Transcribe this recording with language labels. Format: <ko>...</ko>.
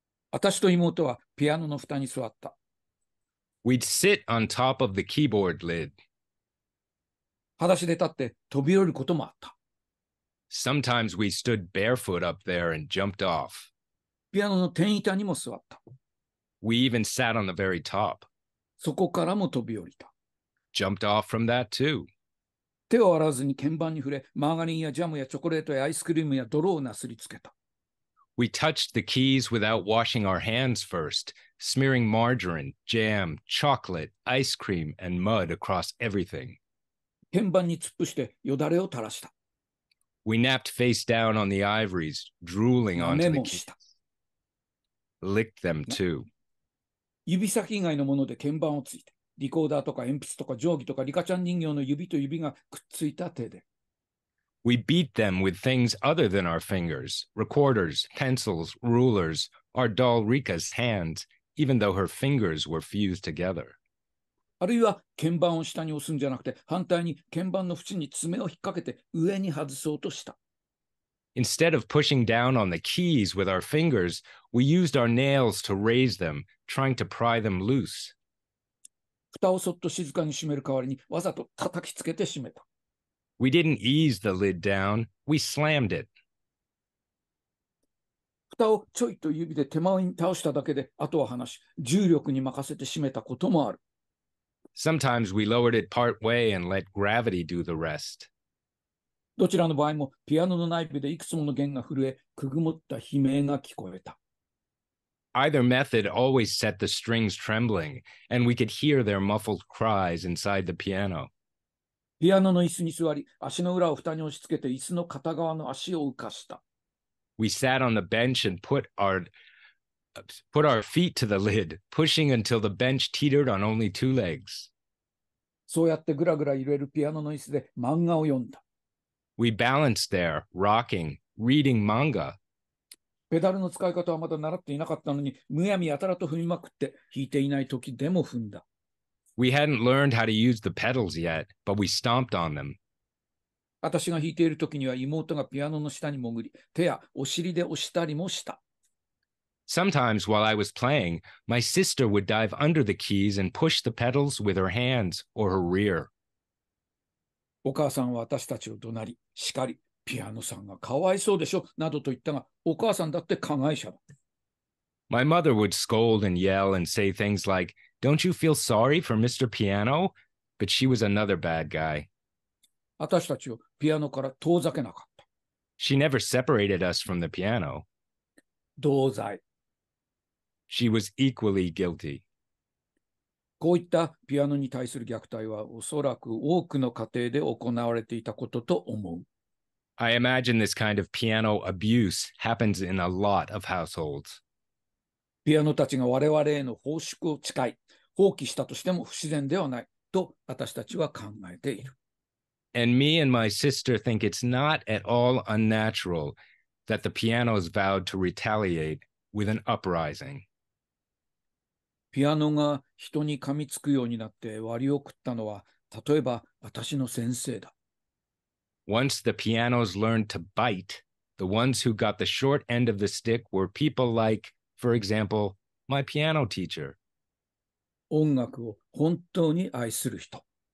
<ja>私と妹はピアノの蓋に座った。</ja> <en>We'd sit on top of the keyboard lid.</en> <ja>裸足で立って飛び降りることもあった。</ja> <en>Sometimes we stood barefoot up there and jumped off.</en> <ja>ピアノの天板にも座った。</ja> <en>We even sat on the very top.</en> <ja>そこからも飛び降りた。</ja> <en>Jumped off from that too.</en> <ja>手を洗わずに鍵盤に触れ、マーガリンやジャムやチョコレートやアイスクリームや泥をなすりつけた。</ja> <en>We touched the keys without washing our hands first, smearing margarine, jam, chocolate, ice cream, and mud across everything.</en> <ja>鍵盤に突っ伏してよだれを垂らした。</ja> <en>We napped face down on the ivories, drooling onto the keys. Licked them too.</en> <ja>指先以外のもので鍵盤をついて、リコーダーとか鉛筆とか定規とかリカちゃん人形の指と指がくっついた手で。</ja> <en>We beat them with things other than our fingers, recorders, pencils, rulers, our doll Rika's hands, even though her fingers were fused together.</en> <ja>あるいは鍵盤を下に押すんじゃなくて、反対に鍵盤の縁に爪を引っ掛けて上に外そうとした。</ja> <en>Instead of pushing down on the keys with our fingers, we used our nails to raise them, trying to pry them loose.</en> <ja>蓋をそっと静かに閉める代わりにわざと叩きつけて閉めた。</ja> <en>We didn't ease the lid down, we slammed it.</en> <ja>蓋をちょいと指で手前に倒しただけで、あとは話し、重力に任せて閉めたこともある。</ja> <en>Sometimes we lowered it part way and let gravity do the rest.</en> <ja>どちらの場合も、ピアノの内部でいくつもの弦が震え、くぐもった悲鳴が聞こえた。</ja> <en>Either method always set the strings trembling, and we could hear their muffled cries inside the piano.</en> <ja>ピアノの椅子に座り、足の裏を蓋に押し付けて椅子の片側の足を浮かした。</ja> <en>We sat on the bench and put our feet to the lid, pushing until the bench teetered on only two legs.</en> <ja>そうやってぐらぐら揺れるピアノの椅子で漫画を読んだ。</ja> <en>We balanced there, rocking, reading manga.</en> <ja>ペダルの使い方はまだ習っていなかったのに、むやみやたらと踏みまくって弾いていない時でも踏んだ。</ja> <en>We hadn't learned how to use the pedals yet, but we stomped on them.</en> <ja>私が弾いている時には妹がピアノの下に潜り、手やお尻で押したりもした。</ja> <en>Sometimes while I was playing, my sister would dive under the keys and push the pedals with her hands or her rear.</en> <ja>お母さんは私たちを怒鳴り、叱り、ピアノさんがかわいそうでしょ、などと言ったが、お母さんだって加害者だ。</ja> <en>My mother would scold and yell and say things like,Don't you feel sorry for Mr. Piano? But she was another bad guy.</en> <ja>私たちをピアノから遠ざけなかった。</ja> <en>She never separated us from the piano.</en> <ja>同罪。</ja> <en>She was equally guilty.</en> <ja>こういったピアノに対する虐待はおそらく多くの家庭で行われていたことと思う。</ja> <en>I imagine this kind of piano abuse happens in a lot of households.</en> <ja>ピアノたちが我々への奉祝を誓い、放棄したとしても不自然ではないと私たちは考えている。</ja> <en>And me and my sister think it's not at all unnatural that the pianos vowed to retaliate with an uprising.</en> <ja>ピアノが人に噛みつくようになって割り送ったのは、例えば私の先生だ。</ja> <en>Once the pianos learned to bite, the ones who got the short end of the stick were people like... For example, my piano teacher.</en> <ja>音楽を本当に愛する人。</ja>